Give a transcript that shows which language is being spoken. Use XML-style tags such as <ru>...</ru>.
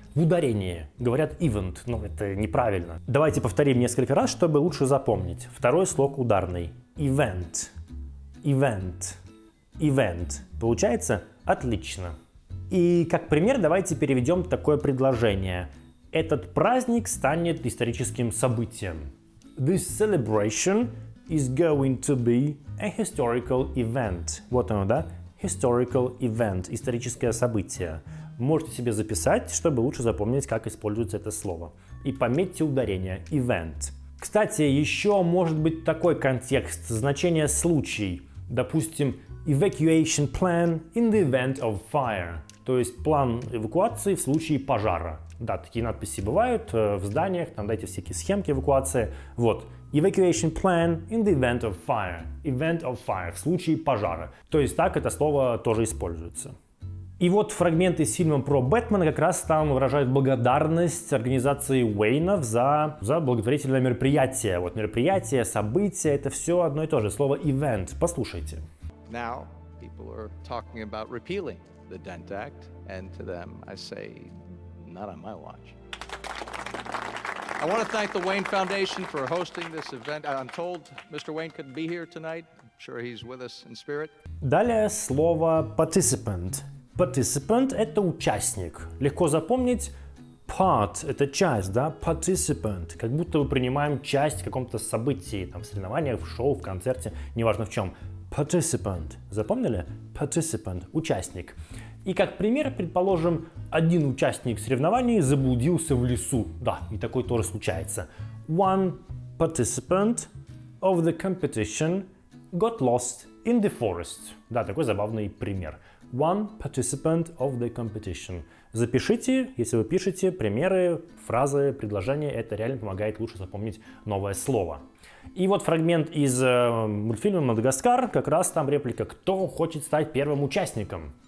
<ru>В ударении говорят event, но это неправильно. Давайте повторим несколько раз, чтобы лучше запомнить. Второй слог ударный – event, event, event. Получается? Отлично. И как пример давайте переведем такое предложение. Этот праздник станет историческим событием.</ru> <en>This celebration is going to be a historical event.</en> <ru>Вот оно, да?</ru> <en>Historical event.</en> <ru>Историческое событие. Можете себе записать, чтобы лучше запомнить, как используется это слово. И пометьте ударение. Event. Кстати, еще может быть такой контекст. Значение случай. Допустим,</ru> <en>evacuation plan in the event of fire.</en> <ru>То есть план эвакуации в случае пожара. Да, такие надписи бывают в зданиях, там дайте всякие схемки эвакуации.</ru> <en>Вот, evacuation plan in the event of fire. Event of fire,</en> <ru>в случае пожара. То есть так это слово тоже используется. И вот фрагменты из фильма про Бэтмена как раз там выражают благодарность организации Уэйнов за благотворительное мероприятие. Вот мероприятие, событие, это все одно и то же. Слово event, послушайте.</ru> <en>Now people are talking about repealing the Dent Act, and to them I say, not on my watch. I want to thank the Wayne Foundation for hosting this event. I'm told Mr. Wayne couldn't be here tonight. I'm sure he's with us in spirit.</en> <ru>Далее слово participant. Participant – это участник. Легко запомнить, part – это часть, да? Participant – как будто мы принимаем часть в каком-то событии, там, в соревнованиях, в шоу, в концерте, неважно в чем. Participant. Запомнили? Participant. Участник. И как пример, предположим, один участник соревнований заблудился в лесу. Да, и такое тоже случается.</ru> <en>One participant of the competition got lost in the forest.</en> <ru>Да, такой забавный пример.</ru> <en>One participant of the competition.</en> <ru>Запишите, если вы пишете, примеры, фразы, предложения. Это реально помогает лучше запомнить новое слово. И вот фрагмент из мультфильма «Мадагаскар», как раз там реплика «Кто хочет стать первым участником?».</ru>